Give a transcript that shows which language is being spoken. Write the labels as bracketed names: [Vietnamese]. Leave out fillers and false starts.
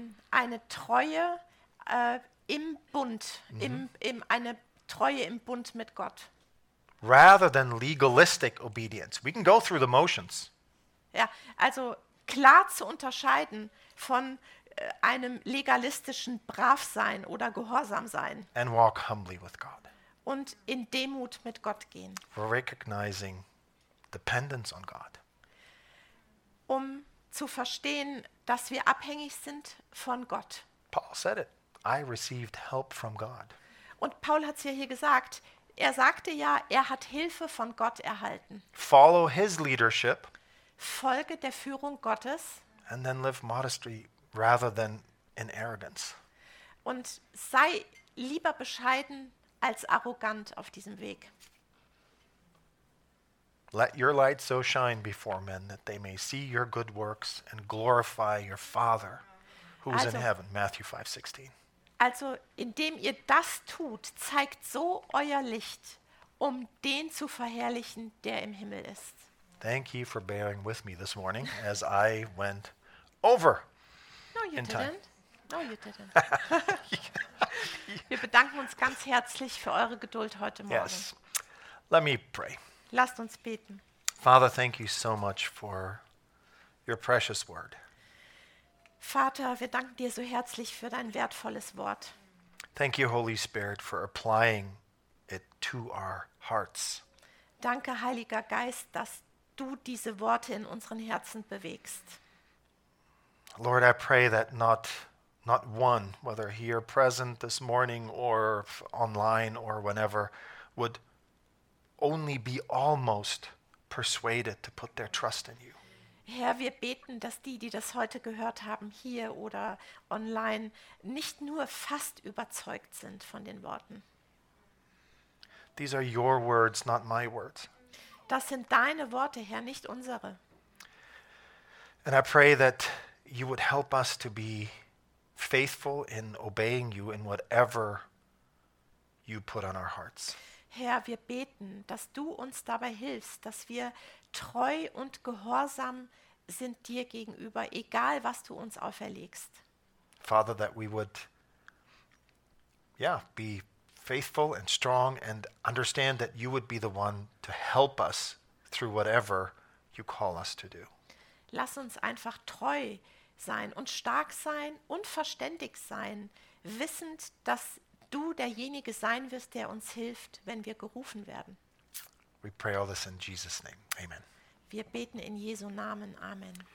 [German] Eine Treue im Bund, eine Treue im Bund mit Gott. [English] Rather than legalistic obedience, we can go through the motions. [German] Ja, also klar zu unterscheiden von einem legalistischen Bravsein oder Gehorsamsein. [English] And walk humbly with God. [German] Und in Demut mit Gott gehen. [English] We're recognizing dependence on God. [German] Um zu verstehen, dass wir abhängig sind von Gott. [English] Paul said it. I received help from God. [German] Und Paul hat es ja hier gesagt. Er sagte ja, er hat Hilfe von Gott erhalten. [English] Follow his leadership. [German] Folge der Führung Gottes. [English] And then live modestly rather than in arrogance. [German] Und sei lieber bescheiden als arrogant auf diesem Weg. [English] Let your light so shine before men that they may see your good works and glorify your Father who is in heaven. Matthew 5:16. [German] Also, indem ihr das tut, zeigt so euer Licht, um den zu verherrlichen, der im Himmel ist. [English] Thank you for bearing with me this morning as I went over. No, you didn't. Time. No, you didn't. [German] Wir bedanken uns ganz herzlich für eure Geduld heute Morgen. [English] Yes. Let me pray. [German] Lasst uns beten. [English] Father, thank you so much for your precious word. [German] Vater, wir danken dir so herzlich für dein wertvolles Wort. [English] Thank you, Holy Spirit, for applying it to our hearts. [German] Danke, Heiliger Geist, dass du diese Worte in unseren Herzen bewegst. [English] Lord, I pray that not one, whether here present this morning or online or whenever, would only be almost persuaded to put their trust in you. [German] Herr, wir beten, dass die das heute gehört haben, hier oder online, nicht nur fast überzeugt sind von den Worten. [English] These are your words, not my words. [German] Das sind deine Worte, Herr, nicht unsere. [English] And I pray that you would help us to be faithful in obeying you in whatever you put on our hearts. [German] Herr, wir beten, dass du uns dabei hilfst, dass wir treu und gehorsam sind dir gegenüber, egal was du uns auferlegst. [English] Father, that we would be faithful and strong and understand that you would be the one to help us through whatever you call us to do. [German] Lass uns einfach treu sein und stark sein und verständig sein, wissend, dass du derjenige sein wirst, der uns hilft, wenn wir gerufen werden. [English] We pray all this in Jesus' name. Amen. [German] Wir beten in Jesu Namen. Amen.